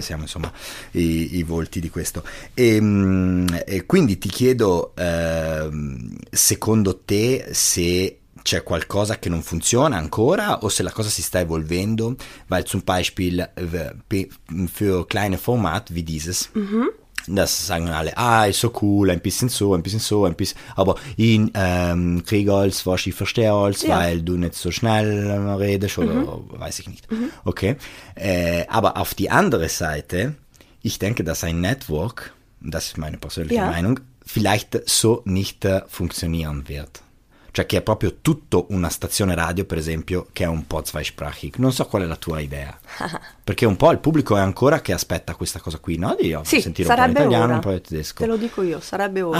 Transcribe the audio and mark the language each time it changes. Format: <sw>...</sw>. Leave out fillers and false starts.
<it>siamo insomma i volti di questo. E quindi ti chiedo, secondo te, se c'è qualcosa che non funziona ancora o se la cosa si sta evolvendo,</it> <de>weil zum Beispiel für kleine Format wie dieses... Das sagen alle, ah, ist so cool, ein bisschen so, ein bisschen so, ein bisschen, aber in krieg als, was ich verstehe als, ja, weil du nicht so schnell redest oder weiß ich nicht. Okay, aber auf die andere Seite, ich denke, dass ein Network, das ist meine persönliche ja, Meinung, vielleicht so nicht funktionieren wird.</de> <it>Cioè che è proprio tutto una stazione radio, per esempio, che è un po' zweisprachig. Non so qual è la tua idea. Perché un po' il pubblico è ancora che aspetta questa cosa qui, no? Di sì, sentire un po' in italiano, ora, un po' in tedesco. Te lo dico io, sarebbe ora.</it>